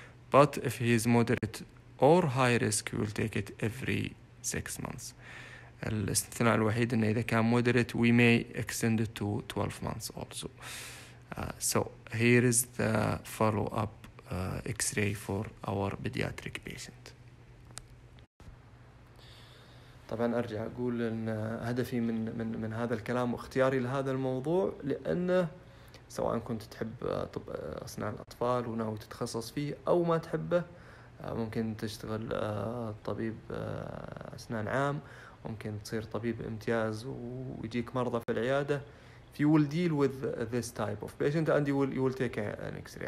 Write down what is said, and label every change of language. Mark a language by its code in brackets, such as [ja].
[en] But if he is moderate or high risk, we'll take it every 6 months. [ar] الاستثناء الوحيد إنه إذا كان [en] moderate, we may extend it to 12 months also. So here is the follow-up X-ray for our pediatric patient. [ar] طبعاً أرجع أقول إن هدفي من من من هذا الكلام واختياري لهذا الموضوع لأنه سواء كنت تحب طب أسنان الأطفال وناوي تتخصص فيه أو ما تحبه ممكن تشتغل طبيب أسنان عام، ممكن تصير طبيب امتياز ويجيك مرضى في العيادة. [en] If you will deal with this type of patient and you will take an X-ray.